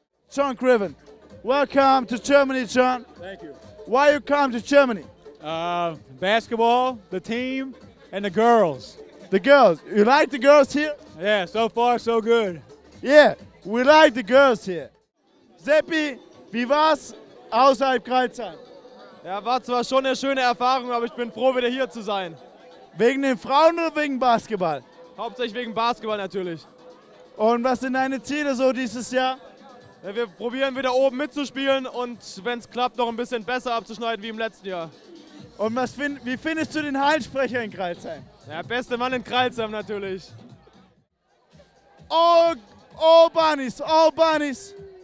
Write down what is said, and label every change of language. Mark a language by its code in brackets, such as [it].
[en] Chunk Riven, welcome to Germany, Chunk. Thank you. Why you come to Germany? Basketball, the team, and the girls. The girls. You like the girls here? Yeah, so far so good. Yeah, we like the girls here. [de] Seppi, wie war's außerhalb Crailsheim? Ja, war zwar schon eine schöne Erfahrung, aber ich bin froh, wieder hier zu sein. Wegen den Frauen oder wegen Basketball? Hauptsächlich wegen Basketball natürlich. Und was sind deine Ziele so dieses Jahr? Wir probieren wieder oben mitzuspielen und wenn es klappt, noch ein bisschen besser abzuschneiden wie im letzten Jahr. Und wie findest du den Hallensprecher in Crailsheim? Ja, beste Mann in Crailsheim natürlich. [en] All bunnies, all bunnies.